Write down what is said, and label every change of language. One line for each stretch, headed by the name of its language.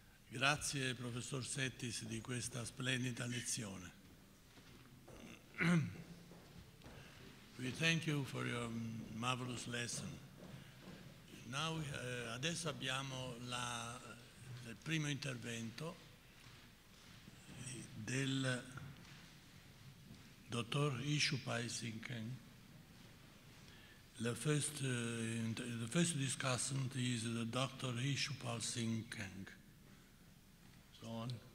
Italian: Grazie professor Settis di questa splendida lezione.
English: We thank you for your marvelous lesson.
Italian: Now, adesso abbiamo il primo intervento del dottor Ishupal Singh.
English: The first discussion is the Dr. Ishupal Singh Kang. So on.